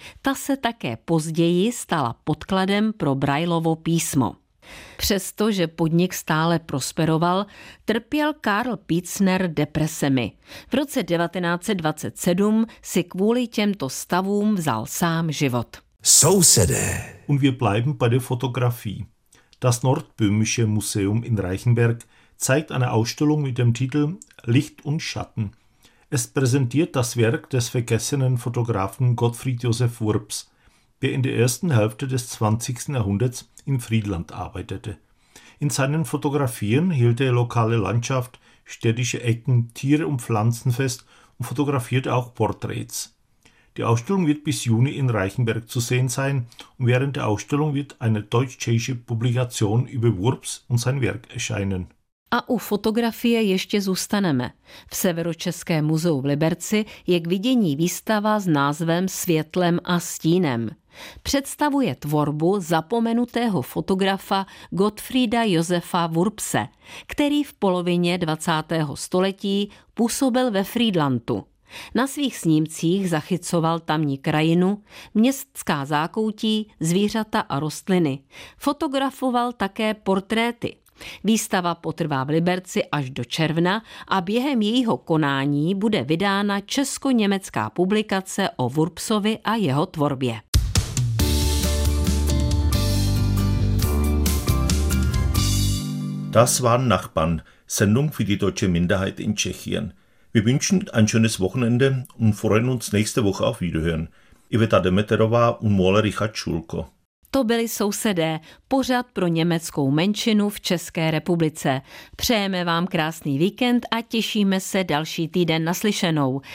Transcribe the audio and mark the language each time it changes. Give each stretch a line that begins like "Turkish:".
Czech: Ta se také později stala podkladem pro Braillovo písmo. Přestože podnik stále prosperoval, trpěl Karl Bietzner depresemi. V roce 1927 si kvůli těmto stavům vzal sám život. Sousedé.
German: Und wir bleiben bei der Fotografie. Das Nordböhmische Museum in Reichenberg zeigt eine Ausstellung mit dem Titel Licht und Schatten. Es präsentiert das Werk des vergessenen Fotografen Gottfried Josef Wurps, der in der ersten Hälfte des 20. Jahrhunderts in Friedland arbeitete. In seinen Fotografien hielt er lokale Landschaft, städtische Ecken, Tiere und Pflanzen fest und fotografierte auch Porträts. Die Ausstellung wird bis Juni in Reichenberg zu sehen sein und während der Ausstellung wird eine deutsch-tschechische Publikation über Wurps und sein Werk erscheinen.
Czech: A u fotografie ještě zůstaneme. V Severočeském muzeu v Liberci je k vidění výstava s názvem Světlem a stínem. Představuje tvorbu zapomenutého fotografa Gottfrieda Josefa Wurpse, který v polovině 20. století působil ve Friedlandu. Na svých snímcích zachycoval tamní krajinu, městská zákoutí, zvířata a rostliny. Fotografoval také portréty. Výstava potrvá v Liberci až do června a během jejího konání bude vydána česko-německá publikace o Wurpsovi a jeho tvorbě.
German: Das waren Nachbarn, Sendung für die deutsche Minderheit in Tschechien. Wir wünschen ein schönes Wochenende und freuen uns nächste Woche auf Wiederhören. Iveta Demeterová und Mole Richard Schulko.
Czech: To byli Sousedé, pořad pro německou menšinu v České republice. Přejeme vám krásný víkend a těšíme se další týden naslyšenou.